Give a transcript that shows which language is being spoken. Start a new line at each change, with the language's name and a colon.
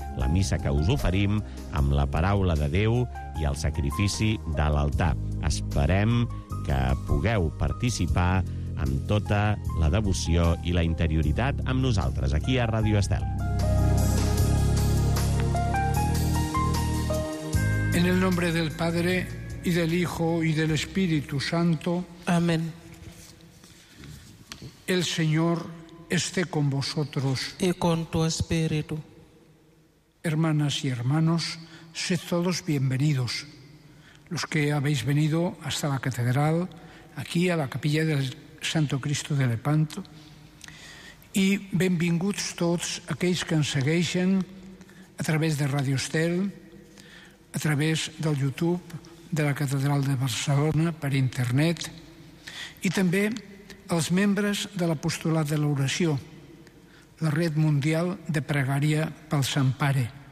Catalan: La missa que us oferim amb la paraula de Déu i el sacrifici de l'altar. Esperem que pugueu participar amb tota la devoció i la interioritat amb nosaltres, aquí a Ràdio Estel.
Spanish: En el nombre del Padre, y del Hijo, y del Espíritu Santo. Amén. El Señor esté con vosotros. Y con tu espíritu. Hermanas y hermanos, sed todos bienvenidos. Los que habéis venido hasta la catedral, aquí a la capilla del Santo Cristo de Lepanto.
Catalan: Y benvinguts tots aquells que ens segueixen a través de Radio Estel, a través del YouTube de la Catedral de Barcelona per internet, i també els membres de l'Apostolat de l'Oració, la Red Mundial de Pregària pel Sant Pare.